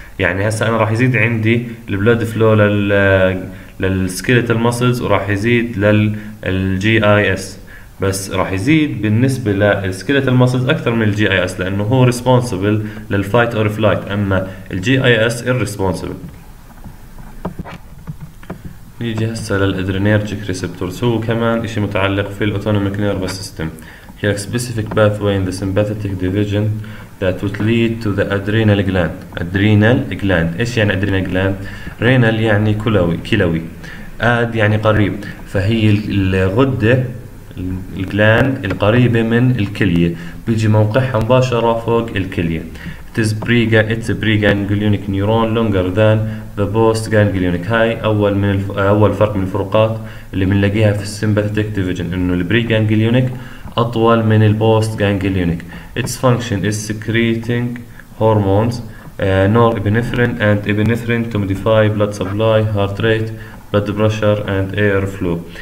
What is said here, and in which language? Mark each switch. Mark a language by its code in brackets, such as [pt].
[ar] يعني هسه انا راح يزيد عندي البلد فلو للسكيلتال ماسلز، وراح يزيد للجي اي اس، بس راح يزيد بالنسبه للسكيلتال ماسلز اكثر من الجي اي اس، لانه هو ريسبونسبل للفايت اور فلايت، اما الجي اي اس الريسبونسبل. نيجي هسه للادرينيرجيك ريسبتورز، هو كمان اشي متعلق في الاوتونوميك نيرفس سيستم. [en] Here a specific pathway in the sympathetic division that would lead to the adrenal gland. Adrenal gland. [ar] ايش يعني adrenal gland؟ Renal يعني كلوي. Ad يعني قريب. فهي الغدة الجلاند القريبة من الكلية. بيجي موقعها مباشرة فوق الكلية. [en] It's a preganglionic neuron longer than the postganglionic. [ar] هاي أول فرق من الفروقات اللي بنلاقيها في sympathetic division، إنه preganglionic أطول من البوست غانجليونيك. [en] Its function is secreting hormones norepinephrine and epinephrine to modify blood supply, heart rate, blood pressure and air flow.